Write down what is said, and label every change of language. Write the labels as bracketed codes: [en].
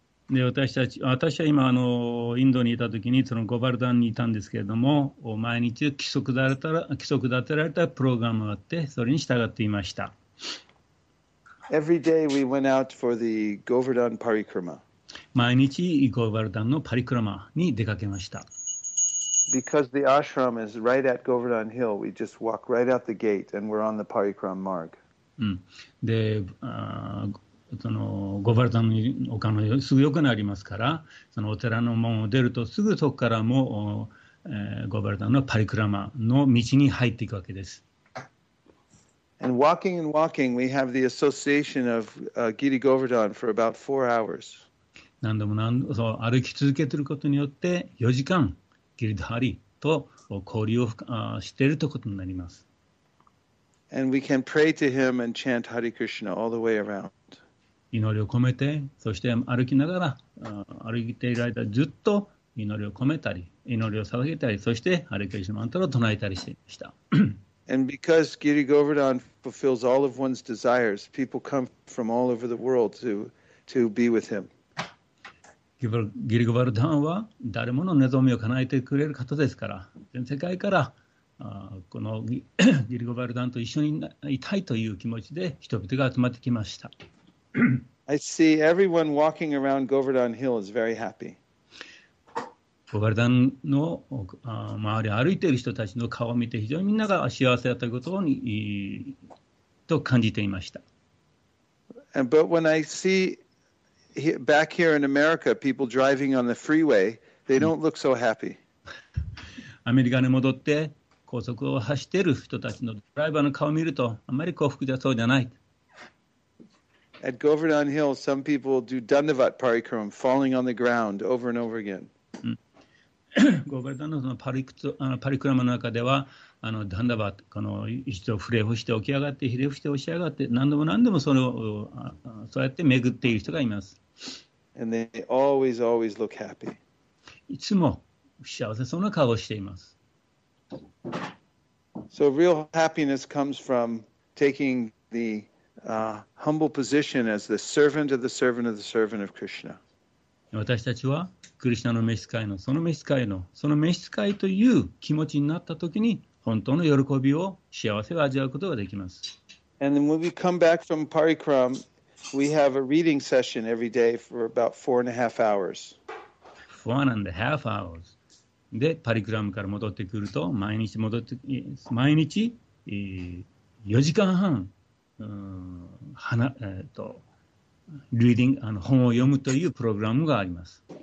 [ja] で、私は今インドにいたときにそのゴバルダンにいたんですけれども、毎日規則立てられたプログラムがあって、それに従っていました。 [en] Every day we went out for the Govardhan Parikrama. [ja] 毎日ゴバルダンのパリクラマに出かけました。 [en] Because the ashram is right at Govardhan Hill, we just walk right out the gate and we're on the Parikram Marg. [ja] で、ゴバルダンの丘のすぐ横にありますから、そのお寺の門を出るとすぐそこからも、ゴバルダンのパリクラマの道に入っていくわけです。 [en] And walking and walking, we have the association of Giri Govardhan for about 4 hours. [ja] 何度も何度も歩き続けていることによって、4時間、ギリダハリと交流をしているということになります。 [en] And we can pray to him and chant Hare Krishna all the way around. [ja] 祈りを込めて、そして歩きながら、歩いている間ずっと祈りを込めたり、祈りを捧げたり、そしてハレクリシュナマントラを唱えたりしていました。 [en] And because Giri Govardhan fulfills all of one's desires, people come from all over the world to be with him. [ja] Giri Govardhan は誰もの望みを叶えてくれる方ですから、全世界からこの Giri Govardhan と一緒にいたいという気持ちで人々が集まってきました。 [en] I see everyone walking around Govardhan Hill is very happy. [ja] ゴバルダンの周りを歩いている人たちの顔を見て非常にみんなが幸せだったことにと感じていました。 [en] But when I see back here in America, people driving on the freeway, they don't look so happy. [ja] アメリカに戻って高速を走っている人たちのドライバーの顔を見るとあまり幸福じゃそうじゃない。 [en] At Govardhan Hill, some people do Dandavat Parikram, falling on the ground over and over again. [ja] Govardhan のParikram の中では、あのダンダバット、この一度触れ伏して起き上がって、ひれ伏して起き上がって、何度も何度もそれをそうやって巡っている人がいます。 [en] And they always, always look happy. [ja] いつも幸せそうな顔をしています。 [en] So real happiness comes from taking the humble position as the servant of the servant of the servant of Krishna. [ja] 私たちは、クリシナの召使いの、その召使いの、その召使いという気持ちになったときに、本当の喜びを、幸せを味わうことができます。 [en] And then when we come back from Parikram, we have a reading session every day for about 4.5 hours. 4.5 hours. [ja] で、Parikram から戻ってくると、毎日4時間半、本を読むというプログラムがあります。